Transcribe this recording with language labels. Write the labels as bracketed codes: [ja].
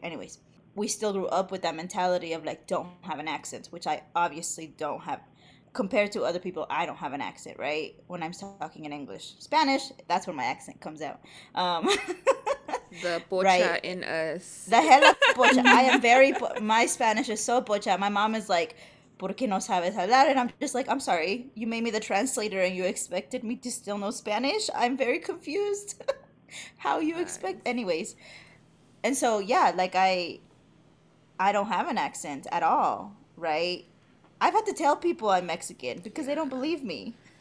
[en] Anyways, we still grew up with that mentality of like, don't have an accent, which I obviously don't have. Compared to other people, I don't have an accent, right? When I'm talking in English, Spanish, that's when my accent comes out. The pocha, right? In us, the hella pocha. I am very my Spanish is so pocha. My mom is like, [es] ¿Por qué no sabes hablar? [en] And I'm just like, I'm sorry, you made me the translator and you expected me to still know Spanish? I'm very confused. How you expect... Nice. Anyways. And so, yeah, like, I don't have an accent at all, right? I've had to tell people I'm Mexican because they don't believe me.